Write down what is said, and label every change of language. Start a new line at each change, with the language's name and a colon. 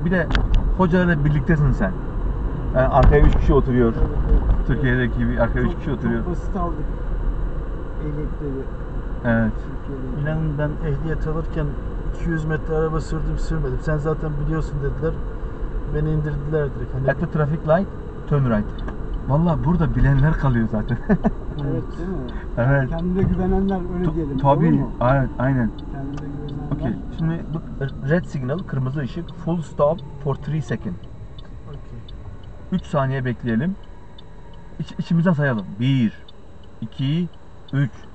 Turkish: Bir de hocalarla birliktesin sen. Yani arkaya 3 kişi oturuyor. Evet, evet. Türkiye'deki bir arkaya 3 kişi oturuyor. Çok basit aldık elektriği. Evet. İnanın ben ehliyet alırken 200 metre araba sürdüm sürmedim. Sen zaten biliyorsun dediler. Beni indirdiler direkt. Hani...
English: At the traffic light, turn right.
Turkish: Valla burada bilenler kalıyor zaten. Evet değil mi? Evet. Kendine güvenenler öyle diyelim. Tabii. Aynen. Kendine güvenenler. Okey. Şimdi bu red signal, kırmızı ışık.
English: Full stop for 3 seconds. Okey.
Turkish: 3 saniye bekleyelim. İçimizden sayalım. 1, 2, 3.